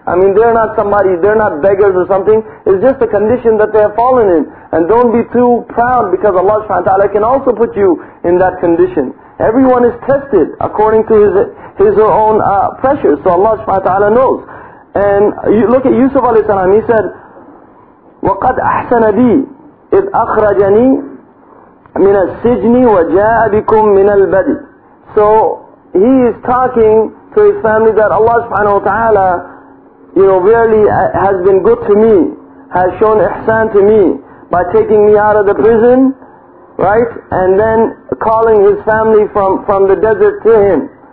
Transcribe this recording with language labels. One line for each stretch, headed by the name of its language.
English: I mean, they're not somebody, they're not beggars or something. It's just a condition that they have fallen in. And don't be too proud, because Allah subhanahu wa ta'ala can also put you in that condition. Everyone is tested according to his or own pressure. So Allah subhanahu wa ta'ala knows. And you look at Yusuf alayhi salam. He said,
Arabic: وَقَدْ أَحْسَنَ بِي إِذْ أَخْرَجَنِي مِنَ السِّجْنِ وَجَاءَ بِكُمْ مِنَ الْبَدِ.
English: So he is talking to his family that Allah subhanahu wa ta'ala, you know, really has been good to me, has shown ihsan to me by taking me out of the prison, right? And then calling his family from the desert to him.